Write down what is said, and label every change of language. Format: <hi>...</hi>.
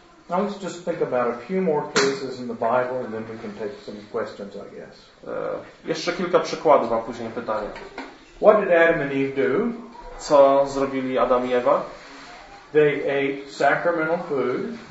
<en>Now let's just think about a few more cases in the Bible and then we can take some questions, I guess.</en> <pl>Jeszcze kilka przykładów, a później pytania.</pl> <en>What did Adam and Eve do?</en> <pl>Co zrobili Adam i Ewa?</pl> <en>They ate sacramental food.</en>